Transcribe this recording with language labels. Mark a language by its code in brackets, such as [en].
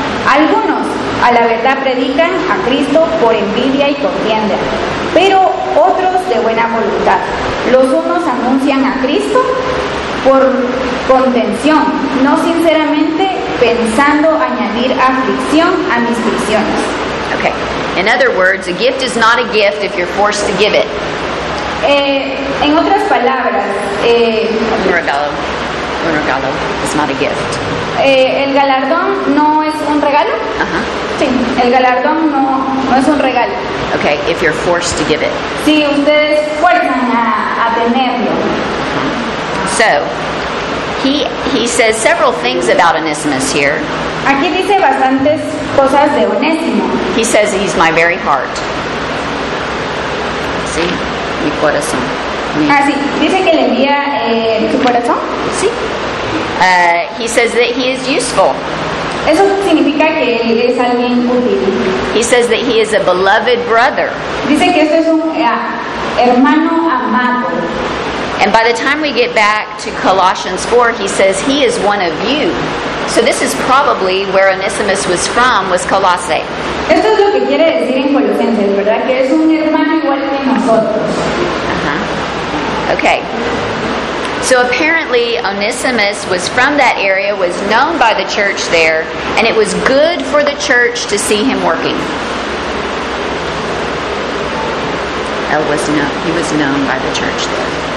[es] Algunos, a la verdad, predican a Cristo por envidia y contienda, pero otros de buena voluntad. Los unos anuncian a Cristo por contención, no sinceramente, pensando añadir aflicción a mis prisiones. [en] Okay. In other words, a gift is not a gift if you're forced to give it. [es] En otras palabras, un regalo [en] is not a gift. [es] El galardón no es un regalo. Sí, el galardón no es un regalo. [en] Okay, if you're forced to give it. [es] Si ustedes fuerzan a tenerlo. [en] So, he says several things about Onesimus here. [es] Aquí dice bastantes cosas de Onésimo. [en] He says he's my very heart. [es] Sí. Mi corazón. Sí. Dice que le envía su corazón. Sí. [en] He says that he is useful. [es] Eso significa que él es alguien útil. [en] He says that he is a beloved brother. [es] Dice que este es un hermano amado. [en] And by the time we get back to Colossians 4, he says he is one of you. So this is probably where Onesimus was from, was Colossae. [es] Esto es lo que quiere decir en Colosenses, ¿verdad? Que es un hermano igual que nosotros. [en] Uh-huh. Okay. So apparently Onesimus was from that area, was known by the church there, and it was good for the church to see him working. He was known by the church there.